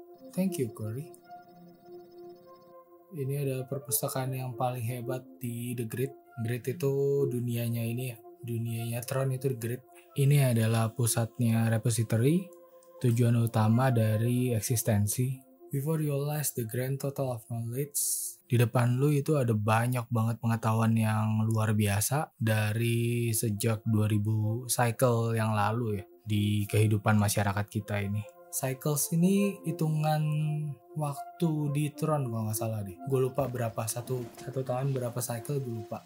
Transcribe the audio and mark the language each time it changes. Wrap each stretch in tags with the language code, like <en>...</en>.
<en>Thank you, Corey.</en> <id>Ini adalah perpustakaan yang paling hebat di The Grid. Grid itu dunianya ini ya. Dunianya Tron itu The Grid. Ini adalah pusatnya repository. Tujuan utama dari eksistensi.</id> <en>Before you realize the grand total of knowledge.</en> <id>Di depan lu itu ada banyak banget pengetahuan yang luar biasa. Dari sejak 2000 cycle yang lalu ya. Di kehidupan masyarakat kita ini. Cycles ini hitungan waktu di Tron kalau nggak salah deh. Gue lupa berapa, satu tahun berapa cycle gue lupa.</id>